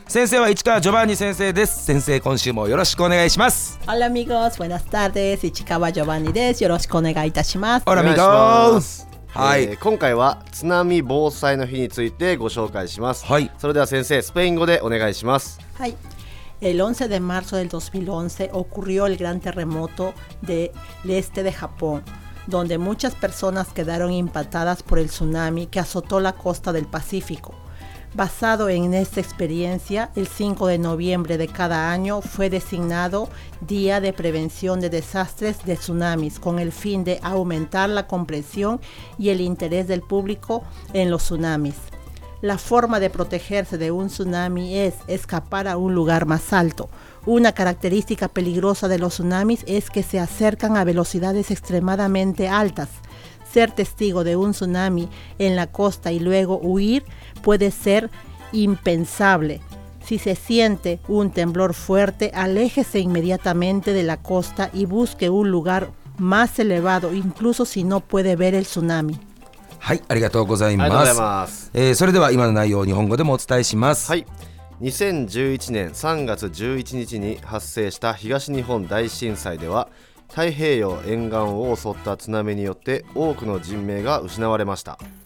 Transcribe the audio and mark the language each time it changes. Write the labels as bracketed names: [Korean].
[Japanese] 先生は市川ジョバンニ先生です。先生今週もよろしくお願いします。 [Spanish] Hola amigos, buenas tardes, [Japanese] 市川ジョバンニです。よろしくお願いいたします。 [Spanish] Hola amigos、 [Japanese] はい、今回は津波防災の日についてご紹介します。はい、それでは先生スペイン語でお願いします。はい、 [Spanish] El 11 de marzo del 2011 ocurrió el gran terremoto del este de Japón, donde muchas personas quedaron impactadas por el tsunami que azotó la costa del Pacífico. Basado en esta experiencia, el 5 de noviembre de cada año fue designado Día de Prevención de Desastres de Tsunamis, con el fin de aumentar la comprensión y el interés del público en los tsunamis. La forma de protegerse de un tsunami es escapar a un lugar más alto. Una característica peligrosa de los tsunamis es que se acercan a velocidades extremadamente altas. Ser testigo de un tsunami en la costa y luego huir puede ser impensable. Si se siente un temblor fuerte, aléjese inmediatamente de la costa y busque un lugar más elevado, incluso si no puede ver el tsunami. [Japanese] はい、ありがとうございます。それでは今の内容を日本語でもお伝えします。はい、2011年3月11日に発生した東日本大震災では、太平洋沿岸を襲った津波によって多くの人命が失われました。